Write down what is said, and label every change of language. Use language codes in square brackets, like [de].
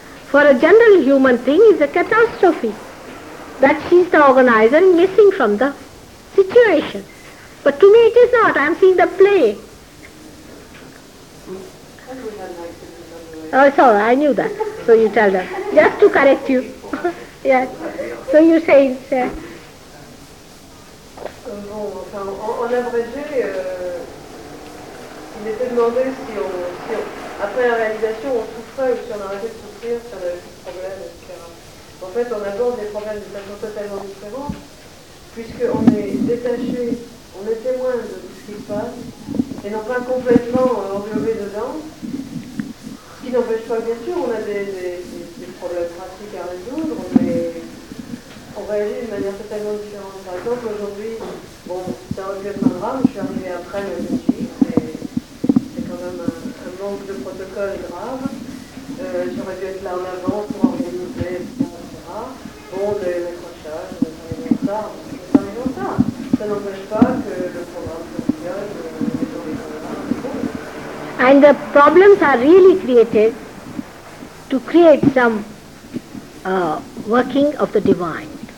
[en] For a general human thing is a catastrophe that she's the organizer and missing from the situation. But to me it is not, I'm seeing the play. Oh, it's all right, I knew that. So you tell them, just to correct you. Yes. So you say it's... [fr] En abrégé, il était demandé si après la réalisation on souffrait ou si on arrêtait de souffrir, si on avait plus de problèmes, etc. En fait, on aborde les problèmes de façon totalement différente, puisqu'on est détaché, on est témoin de tout ce qui se passe, et non pas complètement englobé dedans, ce qui n'empêche pas, bien sûr, on a des problèmes pratiques à résoudre, mais... On réagit d'une manière totalement différente. Par exemple, aujourd'hui, bon, ça aurait pu être un drame, je suis arrivée après le suicide, mais c'est quand même un manque de protocole grave. J'aurais dû être là en avant pour organiser, etc. Bon, des accrochages, des arrivants de retard, ça. Ça n'empêche pas que le programme fonctionne, les gens sont là. [en] And the problems are really created to create some working of the divine.